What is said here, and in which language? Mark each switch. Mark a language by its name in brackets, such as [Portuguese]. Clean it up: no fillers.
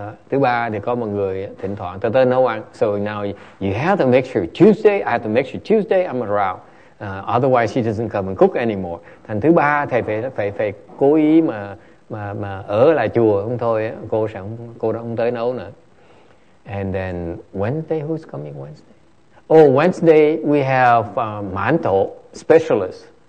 [Vietnamese] Thứ ba thì có một người thỉnh thoảng tới nấu ăn. [English] So now you have to make sure Tuesday, I have to make sure Tuesday I'm around. Otherwise she doesn't come and cook anymore. [Vietnamese] Thành thứ ba thầy phải cố ý mà ở lại chùa không thôi. Cô đó không tới nấu nữa. [English] And then Wednesday, who's coming Wednesday? Oh, Wednesday we have mantou specialist.